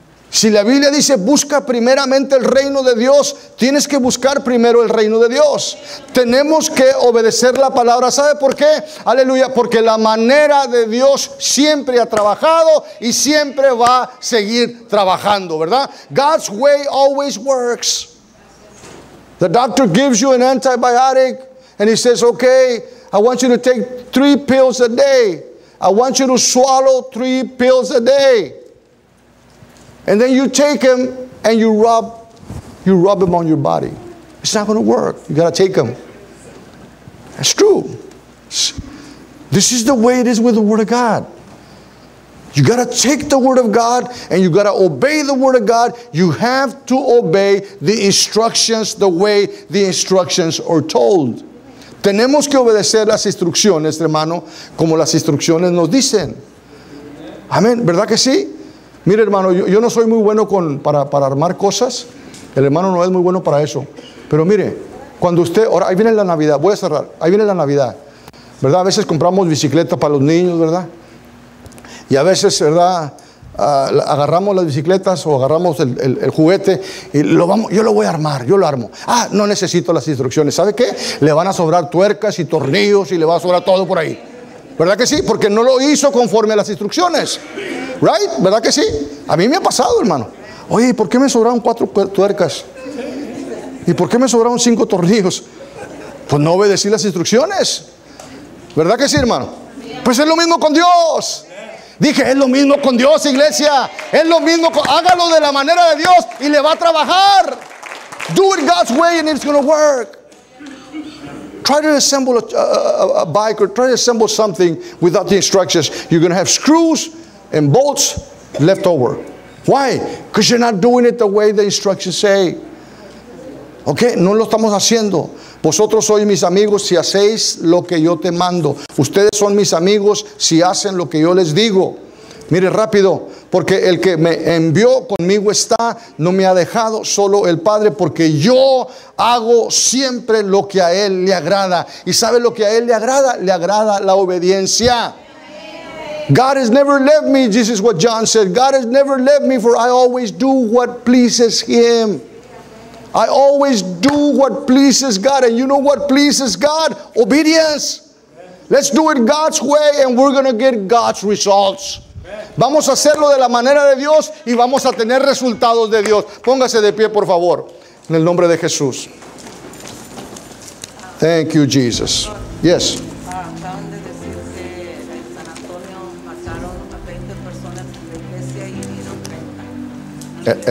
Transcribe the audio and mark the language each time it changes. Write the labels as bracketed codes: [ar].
[es] Si la Biblia dice busca primeramente el reino de Dios, tienes que buscar primero el reino de Dios. Tenemos que obedecer la palabra. ¿Sabe por qué? Aleluya, porque la manera de Dios siempre ha trabajado y siempre va a seguir trabajando, ¿verdad? [en] God's way always works. The doctor gives you an antibiotic and he says, okay, I want you to take 3 pills a day. I want you to swallow 3 pills a day. And then you take them and you rub them on your body. It's not going to work. You got to take them. That's true. This is the way it is with the Word of God. You got to take the Word of God and you got to obey the Word of God. You have to obey the instructions the way the instructions are told. [es] Tenemos que obedecer las instrucciones, hermano, como las instrucciones nos dicen. Amén. ¿Verdad que sí? Mire, hermano, yo no soy muy bueno para armar cosas. El hermano no es muy bueno para eso. Pero mire, cuando usted... Ahora, ahí viene la Navidad. Voy a cerrar. Ahí viene la Navidad. ¿Verdad? A veces compramos bicicleta para los niños, ¿verdad? Y a veces, ¿verdad? Agarramos las bicicletas o agarramos el juguete y lo vamos, yo lo voy a armar, yo lo armo. Ah, no necesito las instrucciones. ¿Sabe qué? Le van a sobrar tuercas y tornillos y le va a sobrar todo por ahí. ¿Verdad que sí? Porque no lo hizo conforme a las instrucciones. [en] Right? [es] ¿Verdad que sí? A mí me ha pasado, hermano. Oye, ¿por qué me sobraron 4 tuercas? ¿Y por qué me sobraron 5 tornillos? Pues no obedecí las instrucciones. ¿Verdad que sí, hermano? Pues es lo mismo con Dios. Dije, es lo mismo con Dios, iglesia. Es lo mismo con... Hágalo de la manera de Dios y le va a trabajar. [en] Do it God's way and it's going to work. Try to assemble a bike or try to assemble something without the instructions. You're going to have screws and bolts left over. Why? Because you're not doing it the way the instructions say. [es] Okay, no lo estamos haciendo. Vosotros sois mis amigos si hacéis lo que yo te mando. Ustedes son mis amigos si hacen lo que yo les digo. Mire rápido, porque el que me envió conmigo está, no me ha dejado solo el Padre, porque yo hago siempre lo que a Él le agrada. ¿Y sabe lo que a Él le agrada? Le agrada la obediencia. [en] God has never left me, this is what John said. God has never left me, for I always do what pleases Him. I always do what pleases God. And you know what pleases God? Obedience. Let's do it God's way and we're going to get God's results. [es] Vamos a hacerlo de la manera de Dios y vamos a tener resultados de Dios. Póngase de pie, por favor, en el nombre de Jesús. [en] Thank you, Jesus. Yes. [es] Acaban de decir que en San Antonio mataron a 20 personas en la iglesia y hirieron 30.